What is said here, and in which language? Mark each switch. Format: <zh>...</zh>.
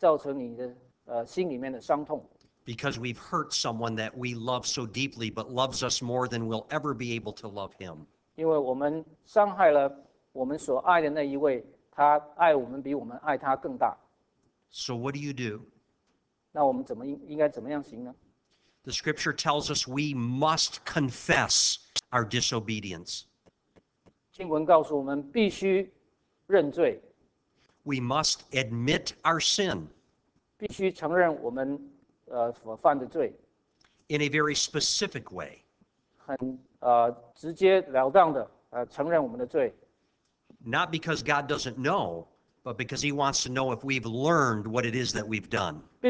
<zh>希望第一件事情就是你的悖逆造成你的心里面的伤痛。</zh> <en>Because we've hurt someone that we love so deeply, but loves us more than we'll ever be able to love him.</en> <zh>因为我们伤害了我们所爱的那一位，他爱我们比我们爱他更大。</zh> <en>So what do you do?</en> <zh>那我们怎么应该怎么样行呢?</zh> <en>The scripture tells us we must confess our disobedience.</en> <zh>经文告诉我们必须认罪。</zh> <en>We must admit our sin.</en> <zh>必须承认我们所犯的罪。</zh> <en>In a very specific way.</en> <zh>很直接了当的承认我们的罪。</zh> <en>Not because God doesn't know, but because he wants to know if we've learned what it is that we've done.</en>